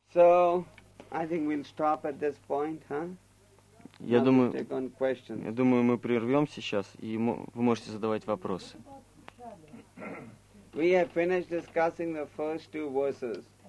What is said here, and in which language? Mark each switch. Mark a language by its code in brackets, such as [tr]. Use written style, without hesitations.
[en] I think we'll stop at this point, huh? [ru] Я думаю, мы прервемся сейчас, и вы можете задавать вопросы. [en] We have finished discussing the first two verses.